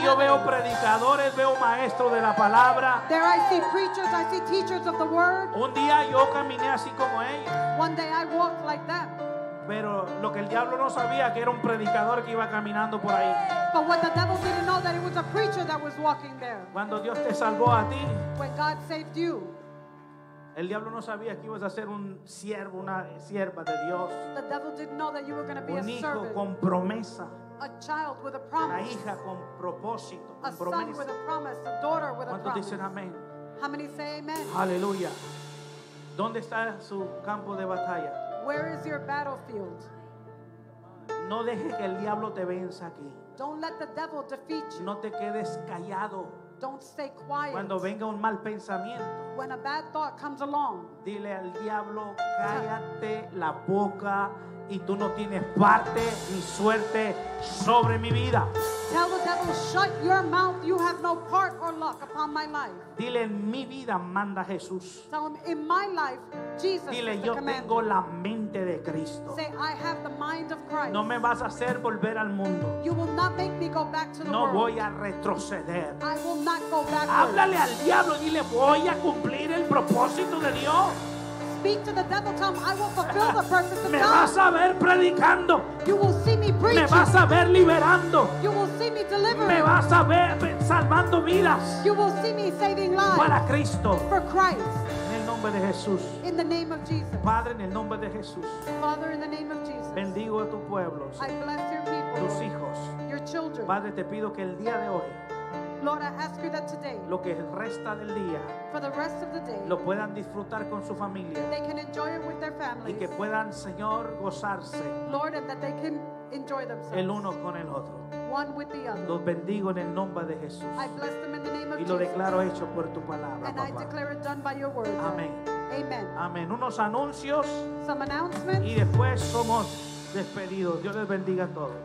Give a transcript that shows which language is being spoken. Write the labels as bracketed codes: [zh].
[es] Ahí yo veo predicadores, veo maestros de la palabra. [en] There I see preachers, I see teachers of the word. [es] Un día yo caminé así como ellos. [en] One day I walked like them. [es] Pero lo que el diablo no sabía que era un predicador que iba caminando por ahí. [en] But what the devil didn't know that it was a preacher that was walking there. [es] Cuando Dios te salvó a ti. [en] When God saved you. [es] El diablo no sabía que ibas a ser un siervo, una sierva de Dios. [en] The devil didn't know that you were going to be a servant. [es] Un hijo con promesa. [en] A child with a promise. [es] Una hija con propósito. [en] A son with a promise. A daughter with a promise. [es] ¿Cuántos dicen amén? [en] How many say amen? [es] Aleluya. ¿Dónde está su campo de batalla? [en] Where is your battlefield? [es] No dejes que el diablo te venza aquí. [en] Don't let the devil defeat you. [es] No te quedes callado. [en] Don't stay quiet. [es] Cuando venga un mal pensamiento, [en] when a bad thought comes along, [es] dile al diablo, cállate la boca y tú no tienes parte ni suerte sobre mi vida. [en] Tell the devil, shut your mouth. You have no part or luck upon my life. [es] Dile, en mi vida manda Jesús. [en] Tell him, in my life, Jesus. [es] Dile, [en] is the [es] yo [en] commander. [es] Tengo la mente de Cristo. [en] Say, I have the mind of Christ. [es] No me vas a hacer volver al mundo. [en] You will not make me go back to the [es] no [en] world. [es] No voy a retroceder. [en] I will not go backwards. [es] Háblale al diablo y dile, voy a cumplir el propósito de Dios. [en] Speak to the devil, tell him, I will fulfill the purpose of [es] me [en] God. [es] Me vas a ver predicando. [en] You will see me preaching. [es] Me vas a ver liberando. [en] You will see me delivering. [es] Me vas a ver salvando vidas. [en] You will see me saving lives. [es] Para Cristo. [en] For Christ. [es] En el nombre de Jesús. [en] In the name of Jesus. [es] Padre, en el nombre de Jesús. [en] Father, in the name of Jesus. [es] Bendigo a tu pueblo. [en] I bless your people. [es] Tus hijos. [en] Your children. [es] Padre, te pido que el día de hoy, [en] Lord, I ask you that today, [es] lo que resta del día, [en] for the rest of the day, [es] lo puedan disfrutar con su familia, [en] they can enjoy it with their families, [es] y que puedan, Señor, gozarse, [en] Lord, and that they can enjoy themselves, [es] el uno con el otro, [en] one with the other. [es] Los bendigo en el nombre de Jesús, [en] I bless them in the name of Jesus, [es] y lo declaro hecho por tu palabra, [en] and I declare it done by your word. [es] Amén. [en] Amen. [es] Amén. Unos anuncios, [en] some announcements, [es] y después somos despedidos. Dios les bendiga a todos.